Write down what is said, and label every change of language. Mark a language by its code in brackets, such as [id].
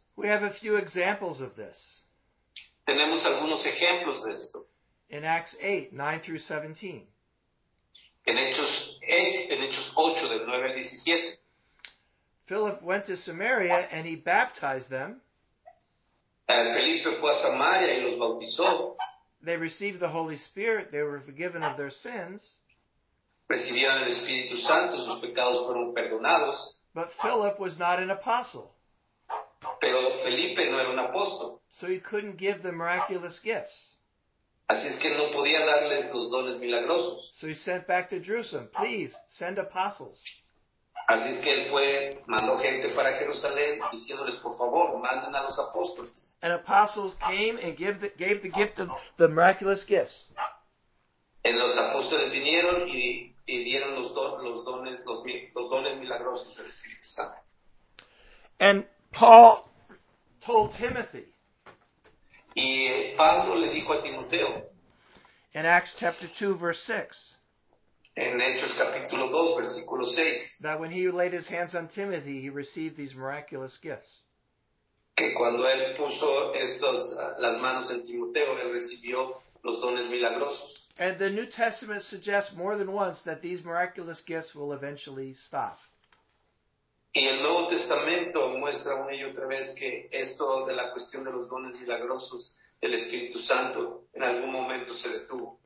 [en] We have a few examples of this. [es] Tenemos algunos ejemplos de esto. [en] In Acts 8, 9 through 17. [es] En Hechos 8, del 9 al 17. [en] Philip went to Samaria and he baptized them. [es] Felipe fue a Samaria y los bautizó. [en] They received the Holy Spirit. They were forgiven of their sins. [es] Recibieron el Espíritu Santo. Sus pecados fueron perdonados. [en] But Philip was not an apostle. [es] Pero Felipe no era un apóstol. [en] So he couldn't give the miraculous gifts. [es] Así es que no podía darles los dones milagrosos. [en] So he sent back to Jerusalem. Please, send apostles. [es] Así es que él fue, mandó gente para Jerusalén, diciéndoles, por favor, manden a los apóstoles. [en] And apostles came and gave the gift of the miraculous gifts. [es] Y los apóstoles vinieron y dieron los dones milagrosos del Espíritu Santo. [en] And Paul told Timothy. [es] Y Pablo le dijo a Timoteo. [en] In Acts chapter 2, verse 6. [es] En Hechos capítulo 2, versículo 6. [en] That when he laid his hands on Timothy, he received these miraculous gifts. [es] Que cuando él puso estos las manos en Timoteo, él recibió los dones milagrosos. [en] And the New Testament suggests more than once that these miraculous gifts will eventually stop. [es] Y el Nuevo Testamento muestra una y otra vez que esto de la cuestión de los dones milagrosos del Espíritu Santo en algún momento se detuvo.